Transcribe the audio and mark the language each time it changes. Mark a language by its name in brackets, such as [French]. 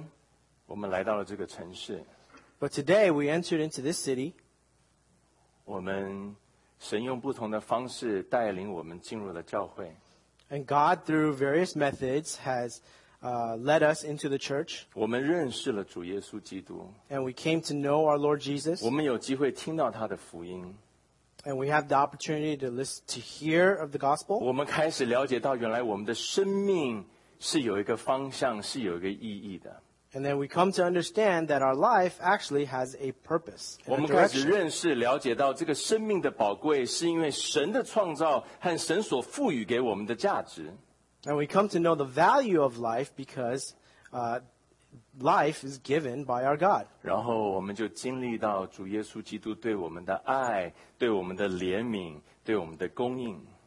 [Chinese] 但是今天我们来到了这个城市。 [English] But today, we entered into this city. [Chinese] 我们神用不同的方式带领我们进入了教会。 [English] And God, through various methods, has led us into the church. [Chinese] 我们认识了主耶稣基督。 [English] And we came to know our Lord Jesus. [Chinese] 我们有机会听到他的福音。 [English] And we have the opportunity to listen to hear of the gospel. [Chinese] 我们开始了解到原来我们的生命是有一个方向，是有一个意义的。 [English] And then we come to understand that our life actually has a purpose. [Chinese] 我们开始认识、了解到这个生命的宝贵，是因为神的创造和神所赋予给我们的价值。 [English] And we come to know the value of life because life is given by our God. [Chinese] 然后我们就经历到主耶稣基督对我们的爱、对我们的怜悯、对我们的供应。